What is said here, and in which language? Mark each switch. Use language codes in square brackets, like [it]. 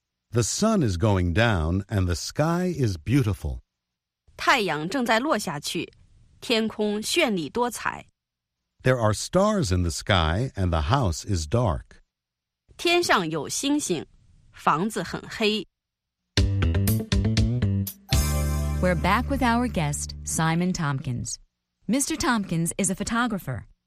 [en] The sun is going down and the sky is beautiful. [zh] 太阳正在落下去，天空绚丽多彩。 [en] There are stars in the sky, and the house is dark. [zh] 天上有星星，房子很黑。 [en] We're back with our guest, Simon Tompkins. Mr. Tompkins is a photographer.